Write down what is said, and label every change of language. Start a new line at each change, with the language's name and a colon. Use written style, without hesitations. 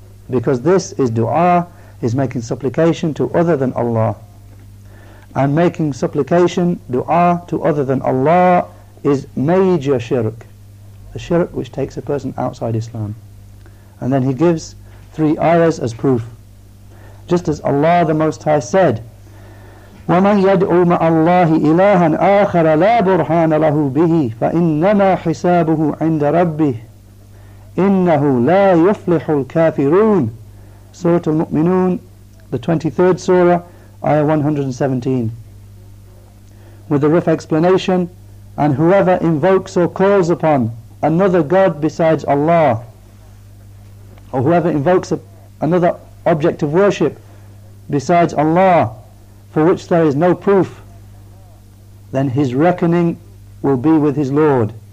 English: Because this is dua, is making supplication to other than Allah. And making supplication, dua, to other than Allah is major shirk, the shirk which takes a person outside Islam. And then he gives three ayahs as proof. Just as Allah the Most High said,
Arabic: وَمَنْ يَدْعُوا مَعَ اللَّهِ إِلَٰهًا آخَرَ لَا بُرْهَانَ لَهُ بِهِ فَإِنَّمَا حِسَابُهُ عِنْدَ رَبِّهِ إِنَّهُ لَا يُفْلِحُ الْكَافِرُونَ.
English: Surah Al-Mu'minun, the 23rd surah, Ayah 117, with the rough explanation, and whoever invokes or calls upon another god besides Allah, or whoever invokes another object of worship besides Allah, for which there is no proof, then his reckoning will be with his Lord.